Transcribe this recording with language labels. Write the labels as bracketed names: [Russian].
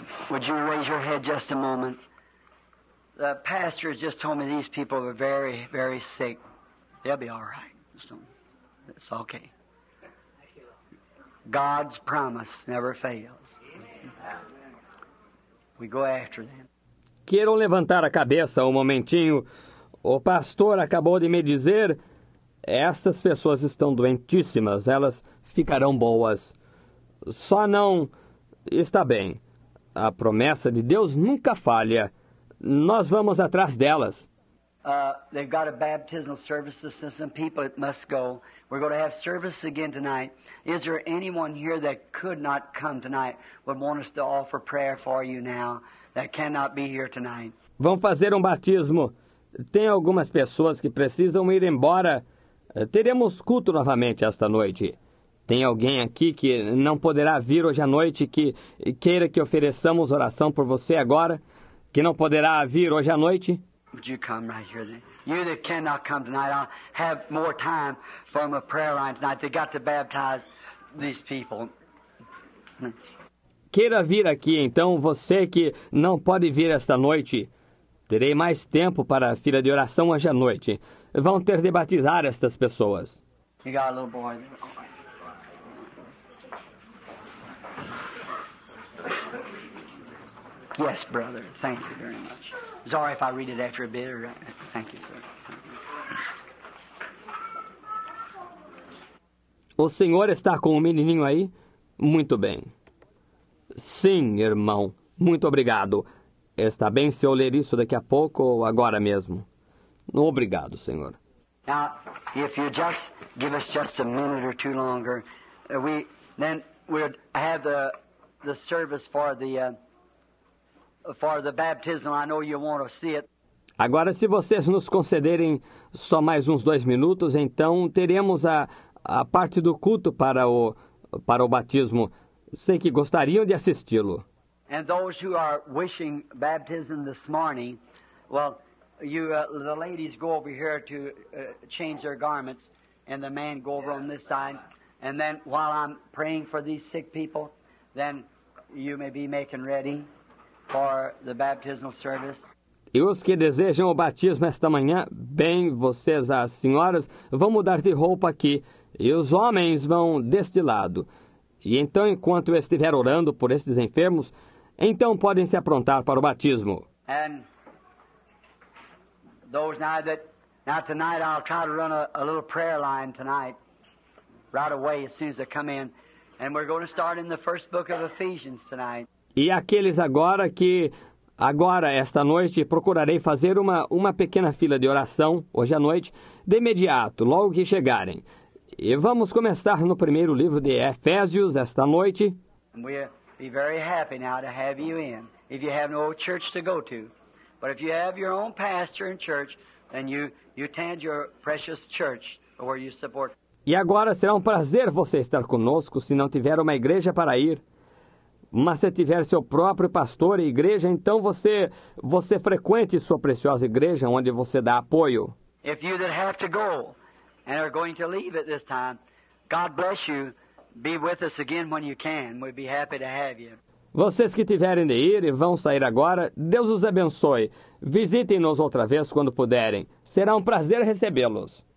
[English] Would you raise your head just a moment? The pastor has just told me these people are very, very sick. They'll be all right. It's okay. God's promise never fails. We go after them. [Portuguese] Queiram levantar a cabeça um momentinho. O pastor acabou de me dizer, essas pessoas estão doentíssimas, elas ficarão boas. Só não está bem. A promessa de Deus nunca falha. Nós vamos atrás delas. [English] They've got a baptismal service system. Some people it must go. We're going to have service again tonight. Is there anyone here that could not come tonight but want us to offer prayer for you now that cannot be here tonight? [Portuguese] Vão fazer um batismo. Tem algumas pessoas que precisam ir embora, Teremos culto novamente esta noite. Tem alguém aqui que não poderá vir hoje à noite que queira que ofereçamos oração por você agora? Que não poderá vir hoje à noite? [English] Would you come right here then? You that cannot come tonight, I'll have more time from a prayer line tonight. They got to baptize these people. [Portuguese] Queira vir aqui então, você que não pode vir esta noite. Terei mais tempo para a fila de oração hoje à noite. Vão ter de batizar estas pessoas. [English] You got a little boy. Yes, brother. Thank you very much. Sorry if I read it after a bit. Or... Thank you, sir. [Portuguese] O senhor está com o menininho aí? Muito bem. Sim, irmão. Muito obrigado. Está bem se eu ler isso daqui a pouco ou agora mesmo? Obrigado, senhor. [English] Now, if you just give us just a minute or two longer, we'll have the service for the baptism. I know you want to see it. [Portuguese] Agora, se vocês nos concederem só mais uns dois minutos, então teremos a parte do culto para o batismo. Sei que gostariam de assisti-lo. [English] And those who are wishing baptism this morning, well, the ladies go over here to change their garments, and the men go over on this side. And then while I'm praying for these sick people, then you may be making ready for the baptismal service. [Portuguese] E os que desejam o batismo esta manhã, bem, vocês, as senhoras, vão mudar de roupa aqui, e os homens vão deste lado. E então, enquanto eu estiver orando por estes enfermos, então podem se aprontar para o batismo. [English] And those now tonight I'll try to run a little prayer line tonight, right away as soon as they come in, and we're going to start in the first book of Ephesians tonight. [Portuguese] E aqueles agora que agora esta noite procurarei fazer uma pequena fila de oração hoje à noite de imediato, logo que chegarem. E vamos começar no primeiro livro de Efésios esta noite. [English] Be very happy now to have you in. If you have no church to go to, but if you have your own pastor and church, then you attend your precious church where you support. [Portuguese] E agora será um prazer você estar conosco se não tiver uma igreja para ir. Mas se tiver seu próprio pastor e igreja, então você frequente sua preciosa igreja onde você dá apoio. [English] If you that have to go and are going to leave at this time, God bless you. Be with us again when you can. We'd be happy to have you. [Portuguese] Vocês que tiverem de ir e vão sair agora, Deus os abençoe. Visitem-nos outra vez quando puderem. Será um prazer recebê-los.